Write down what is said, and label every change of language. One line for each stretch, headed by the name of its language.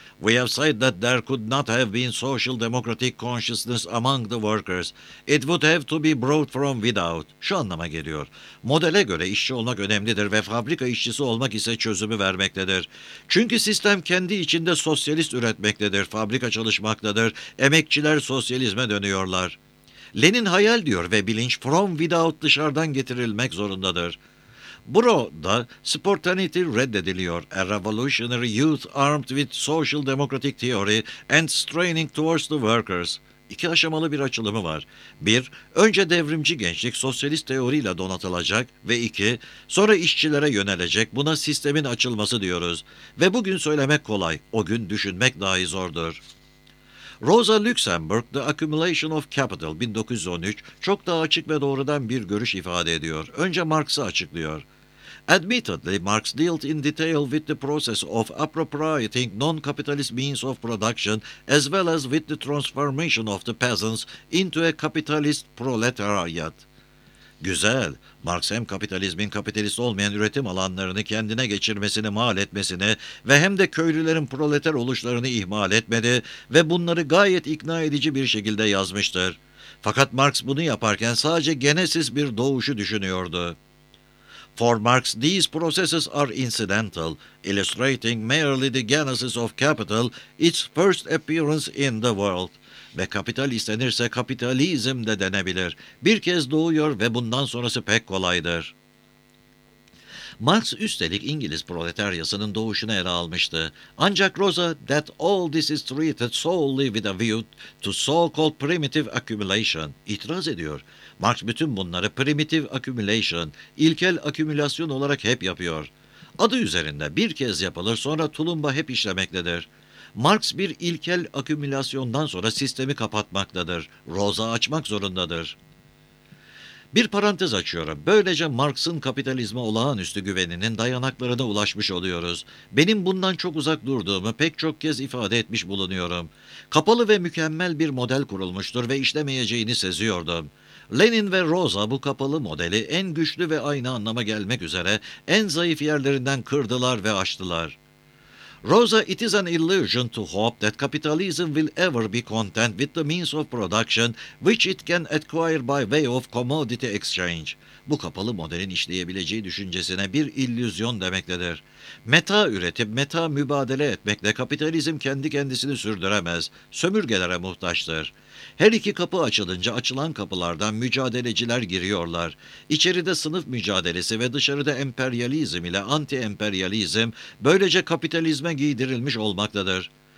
English: We have said that there could not have been social democratic consciousness among the workers. It would have to be brought from without.
Turkish: Şu anlama geliyor. Modele göre işçi olmak önemlidir ve fabrika işçisi olmak ise çözümü vermektedir. Çünkü sistem kendi içinde sosyalist üretmektedir, fabrika çalışmaktadır, emekçiler sosyalizme dönüyorlar. Lenin hayal diyor ve bilinç
English: from without
Turkish: dışarıdan getirilmek zorundadır. Burada spontaneity reddediliyor.
English: A revolutionary youth armed with social democratic theory and straining towards the workers.
Turkish: İki aşamalı bir açılımı var. Bir, önce devrimci gençlik sosyalist teoriyle donatılacak ve iki, sonra işçilere yönelecek. Buna sistemin açılması diyoruz. Ve bugün söylemek kolay, o gün düşünmek dahi zordur. Rosa Luxemburg, The Accumulation of Capital, 1913, çok daha açık ve doğrudan bir görüş ifade ediyor. Önce Marx'ı açıklıyor.
English: Admittedly, Marx dealt in detail with the process of appropriating non-capitalist means of production as well as with the transformation of the peasants into a capitalist proletariat.
Turkish: Güzel, Marx hem kapitalizmin kapitalist olmayan üretim alanlarını kendine geçirmesini mal etmesini ve hem de köylülerin proleter oluşlarını ihmal etmedi ve bunları gayet ikna edici bir şekilde yazmıştır. Fakat Marx bunu yaparken sadece genesis bir doğuşu düşünüyordu.
English: For Marx, these processes are incidental, illustrating merely the genesis of capital, its first appearance in the world.
Turkish: Ve kapital istenirse kapitalizm de denebilir. Bir kez doğuyor ve bundan sonrası pek kolaydır. Marx üstelik İngiliz proletaryasının doğuşunu ele almıştı.
English: Ancak Rosa, that all this is treated solely with a view to so-called primitive accumulation,
Turkish: itiraz ediyor. Marx bütün bunları primitive accumulation, ilkel akümülasyon olarak hep yapıyor. Adı üzerinde bir kez yapılır sonra tulumba hep işlemektedir. Marx bir ilkel akümülasyondan sonra sistemi kapatmaktadır. Rosa açmak zorundadır. Bir parantez açıyorum. Böylece Marx'ın kapitalizme olağanüstü güveninin dayanaklarına ulaşmış oluyoruz. Benim bundan çok uzak durduğumu pek çok kez ifade etmiş bulunuyorum. Kapalı ve mükemmel bir model kurulmuştur ve işlemeyeceğini seziyordum. Lenin ve Rosa bu kapalı modeli en güçlü ve aynı anlama gelmek üzere en zayıf yerlerinden kırdılar ve aştılar.
English: Rosa, it is an illusion to hope that capitalism will ever be content with the means of production which it can acquire by way of commodity exchange.
Turkish: Bu kapalı modelin işleyebileceği düşüncesine bir illüzyon demektedir. Meta üretip meta mübadele etmekle kapitalizm kendi kendisini sürdüremez, sömürgelere muhtaçtır. Her iki kapı açılınca açılan kapılardan mücadeleciler giriyorlar. İçeride sınıf mücadelesi ve dışarıda emperyalizm ile anti-emperyalizm böylece kapitalizme giydirilmiş olmaktadır.